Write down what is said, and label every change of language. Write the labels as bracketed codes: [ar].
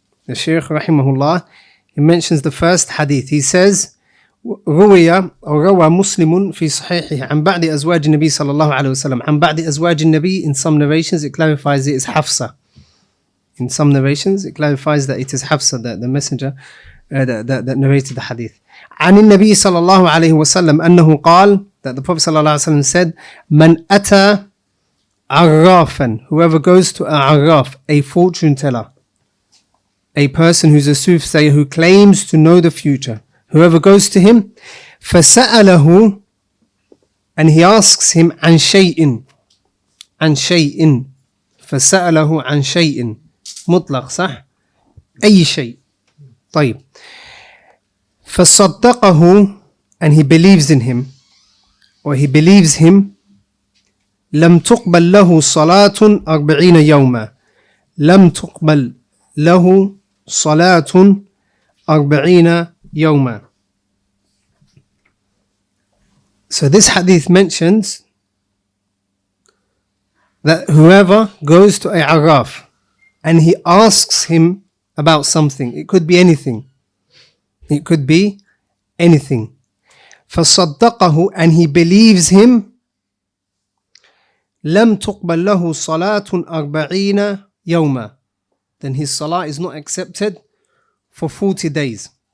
[en] The Sheikh Rahimahullah, he mentions the first hadith. He says, [ar] رويا أو روى مسلم في صحيحه عن بعض أزواج النبي صلى الله عليه وسلم. عن بعض أزواج النبي, [en] in some narrations it clarifies it is حفصة. In some narrations it clarifies that it is حفصة, the messenger that narrated the hadith. [ar] عن النبي صلى الله عليه وسلم أنه قال, [en] that the Prophet صلى الله عليه وسلم said, [ar] من أتى عرافا, [en] whoever goes to an عراف, a fortune teller, a person who's a soothsayer who claims to know the future, whoever goes to him, [ar] فسأله, [en] and he asks him [ar] عن شيء, عن شيء, فسأله عن شيء, مطلق صح, أي شيء. طيب, فصدقه, [en] and he believes in him, or he believes him, [ar] لم تقبل له صلاة 40 يوما, لم تقبل له صلاة 40 يوما. [en] So this hadith mentions that whoever goes to a Araf and he asks him about something, it could be anything, it could be anything, [ar] فصدقه, [en] and he believes him, [ar] لم تقبل له صلاة 40 يوما, [en] then his salah is not accepted for 40 days.